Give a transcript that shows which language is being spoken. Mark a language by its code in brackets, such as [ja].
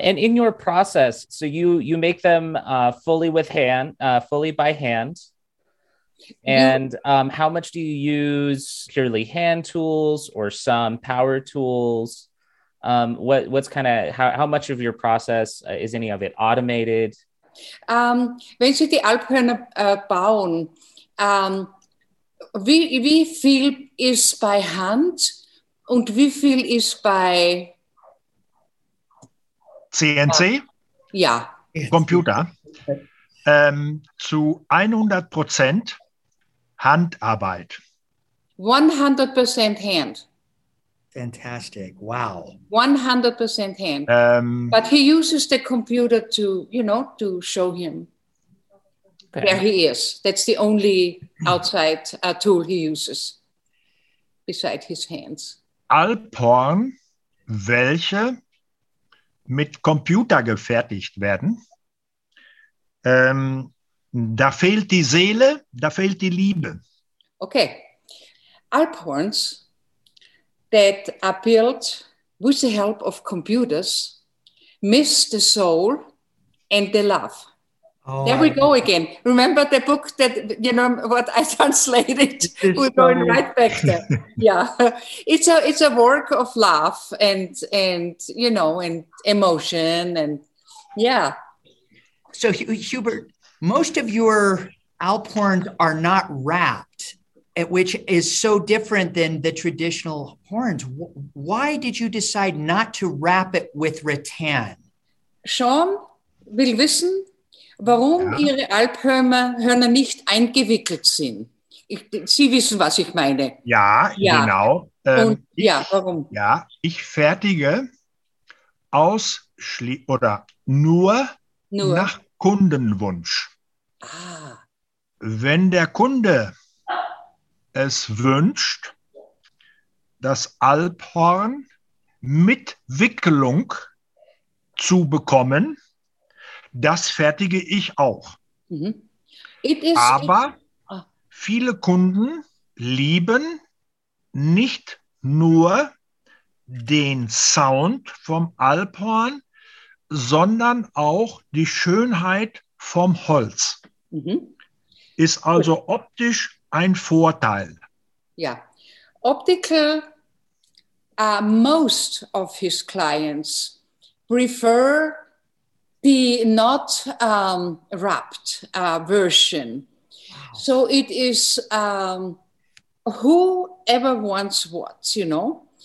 [en] And in your process, so you make them fully by hand. And how much do you use purely hand tools or some power tools? What's kind of how much of your process is any of it automated? [de] Wenn Sie die Alphörner bauen, wie viel ist bei Hand und wie viel ist bei CNC? Ja. Computer. Zu 100% Handarbeit. 100% Hand. [en] Fantastic. Wow. 100% hand. But he uses the computer to, you know, to show him where he is. That's the only outside tool he uses beside his hands. [de] Alphorn, welche mit Computer gefertigt werden, da fehlt die Seele, da fehlt die Liebe. Okay. [en] Alphorns that are built with the help of computers miss the soul and the love. Oh, there we go again. Remember the book that, you know, what I translated? We're going right back there. Yeah. It's a work of love and you know, and emotion and, yeah. So, Hubert, most of your alphorns are not wrapped, which is so different than the traditional horns. Why did you decide not to wrap it with rattan? [de] Sean will wissen, warum ihre Alphörner nicht eingewickelt sind. Sie wissen, was ich meine. Ja, ja. Genau. Warum? Ja, ich fertige nur nach Kundenwunsch. Ah. Wenn der Kunde es wünscht, das Alphorn mit Wicklung zu bekommen, das fertige ich auch. Mm-hmm. Viele Kunden lieben nicht nur den Sound vom Alphorn, sondern auch die Schönheit vom Holz. Mm-hmm. Ist also optisch ein Vorteil. [en] Yeah, optical, most of his clients prefer the not wrapped version. Wow. So it is whoever wants what, you know.